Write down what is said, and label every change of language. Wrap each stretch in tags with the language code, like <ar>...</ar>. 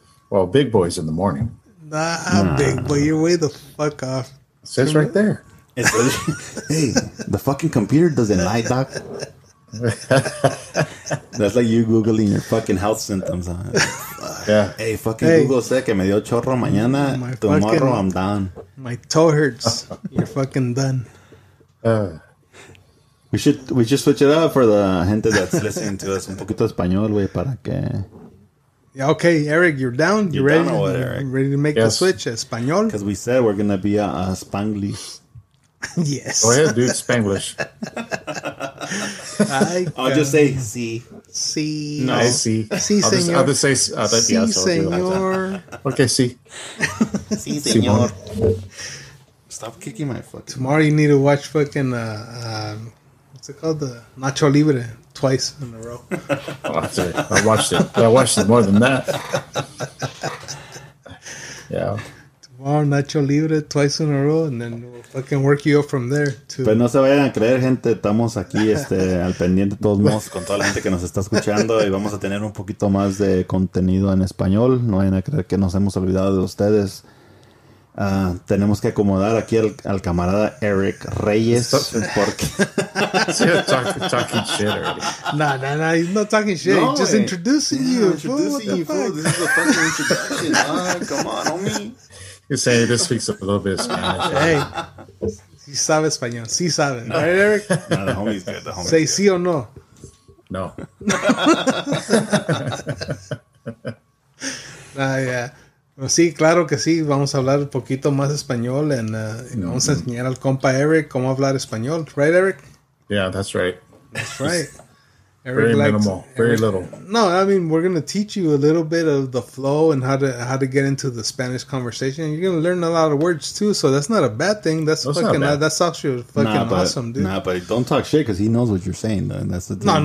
<en>Well, big boy's in the morning. Nah, I'm big, but you're way the fuck off. It says right there. Hey, the fucking computer doesn't lie, Doc. That's like you googling your fucking health symptoms, huh? Yeah.</en> <es>Hey, Google sé que me dio chorro mañana.</es> <en>Tomorrow I'm done. My toe hurts. You're fucking done. We should switch it up for the gente that's listening to us.</en> <es>Un poquito español, güey, para que.</es> <en>Yeah. Okay, Eric, you're down. You're ready. Down what, Eric? Ready to make the switch, español? Because we said we're gonna be a Spanglish. Yes. Go ahead, dude. Spanglish. I'll just say si.</en> <es>Si.</es> <en>No. I see.</en> <es>Si, señor.</es> <en>I'll just say si,</en> <es>señor.</es> <en>Okay, si.</en> <es>Si, señor.</es> <en>Stop kicking my foot. Tomorrow you need to watch fucking, what's it called? The Nacho Libre twice in a row. I watched it. I watched it more than that. Yeah. Tomorrow Nacho Libre twice in a row and then we'll fucking work you up from there too.</en> <es>Pues no se vayan a creer, gente, estamos aquí al pendiente todos modos con toda la gente que nos está escuchando y vamos a tener un poquito más de contenido en español. No vayan a creer que nos hemos olvidado de ustedes. Tenemos que acomodar aquí al camarada Eric Reyes. Porque</es> <en>talking shit already. Nah, he's not talking shit. No, just introducing you. This is a fucking introduction. Come on, homie. You're saying this speaks a little bit of Spanish.</en> <es>Hey, si sabe español. Si sabe. No. Right, Eric?</es> <en>No, the homie's good. Say good.</en> <es>Si o no.</es> <en>No.</en> <es>Sí, claro que sí. Vamos a hablar un poquito más español. Vamos a enseñar al compa Eric cómo hablar español.</es> <en>Right, Eric? Yeah, that's right. That's right. Very minimal. No, I mean, we're going to teach you a little bit of the flow and how to get into the Spanish conversation. You're going to learn a lot of words, too, so that's not a bad thing. That's actually awesome, dude. Nah, but don't talk shit because he knows what you're saying, though. That's the thing.</en>